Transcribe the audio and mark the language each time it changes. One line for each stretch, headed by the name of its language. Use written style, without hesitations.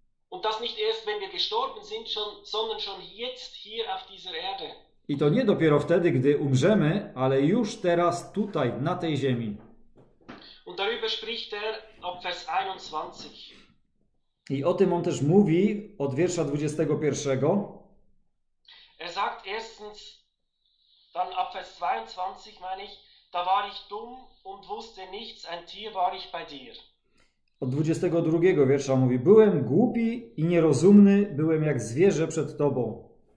German: Und das nicht erst, wenn wir gestorben sind, sondern schon jetzt hier auf dieser Erde.
Polish: I to nie dopiero wtedy, gdy umrzemy, ale już teraz tutaj, na tej ziemi.
German: Und darüber spricht er ab Vers 21.
Polish: I o tym on też mówi od wiersza 21.
German: Er sagt erstens, dann ab Vers 22 meine ich, da war ich dumm und wusste nichts, ein Tier war ich bei dir.
Polish: Od 22 wiersza mówi, byłem głupi i nierozumny, byłem jak zwierzę przed tobą.